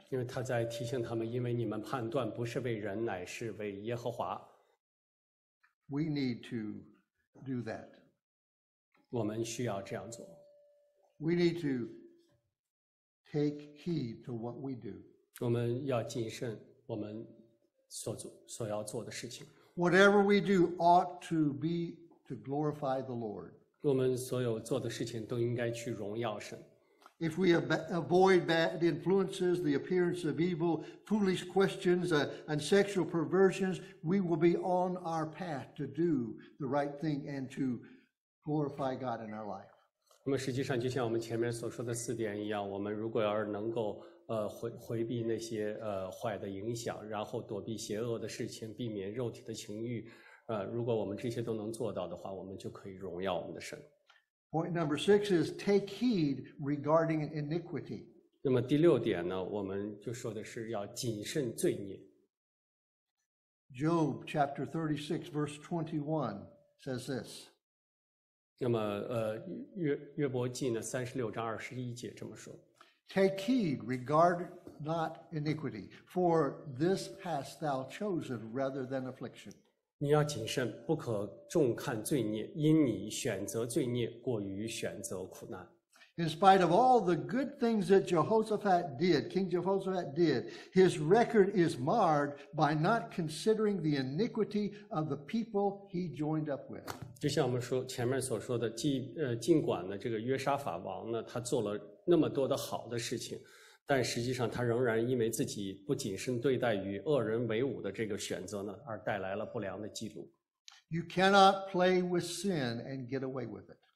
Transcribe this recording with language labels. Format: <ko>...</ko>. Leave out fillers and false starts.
<zh>因为他在提醒他们，因为你们判断不是为人，乃是为耶和华。</zh> <en>We need to do that.</en> <zh>我们需要这样做。</zh> <en>We need to take heed to what we do.</en> <zh>我们要谨慎我们所要做的事情。</zh> <en>Whatever we do ought to be to glorify the Lord.</en> <zh>我们所有做的事情都应该去荣耀神。</zh> <en>If we avoid bad influences, the appearance of evil, foolish questions, and sexual perversions, we will be on our path to do the right thing and to glorify God in our life.</en> <zh>那么实际上，就像我们前面所说的四点一样，我们如果要是能够回避那些坏的影响，然后躲避邪恶的事情，避免肉体的情欲，如果我们这些都能做到的话，我们就可以荣耀我们的神。</zh> <en>Point number six is take heed regarding iniquity.</en> <zh>那么第六点呢，我们就说的是要谨慎罪孽。</zh> <en>Job chapter 36 verse 21 says this.</en> <zh>那么约伯记呢36:21这么说。</zh> <en>Take heed, regard not iniquity, for this hast thou chosen rather than affliction.</en> <zh>你要谨慎，不可重看罪孽，因你选择罪孽，过于选择苦难。</zh> <en>In spite of all the good things that Jehoshaphat did, King Jehoshaphat did, his record is marred by not considering the iniquity of the people he joined up with.</en> <zh>就像我们说前面所说的，尽管呢，这个约沙法王呢，他做了那么多的好的事情，但实际上他仍然因为自己不谨慎对待与恶人为伍的这个选择呢，而带来了不良的记录。</zh> <en>You cannot play with sin and get away with it.</en>